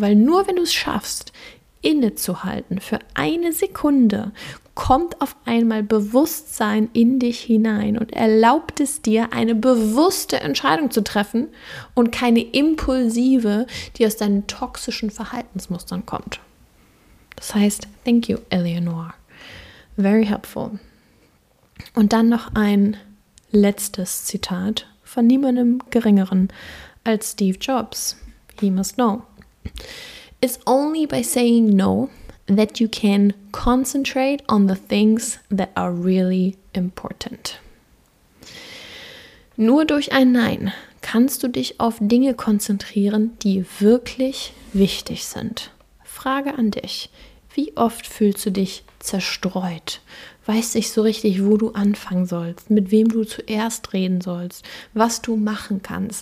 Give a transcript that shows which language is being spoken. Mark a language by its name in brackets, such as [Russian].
[German] Weil nur wenn du es schaffst, innezuhalten für eine Sekunde, kommt auf einmal Bewusstsein in dich hinein und erlaubt es dir, eine bewusste Entscheidung zu treffen und keine impulsive, die aus deinen toxischen Verhaltensmustern kommt. Das heißt, [English] thank you, Eleanor. Very helpful. [German] Und dann noch ein letztes Zitat von niemandem Geringeren als Steve Jobs. [English] He must know. It's only by saying no that you can concentrate on the things that are really important. [German] Nur durch ein Nein kannst du dich auf Dinge konzentrieren, die wirklich wichtig sind. Frage an dich. Wie oft fühlst du dich zerstreut? Weißt nicht so richtig, wo du anfangen sollst, mit wem du zuerst reden sollst, was du machen kannst.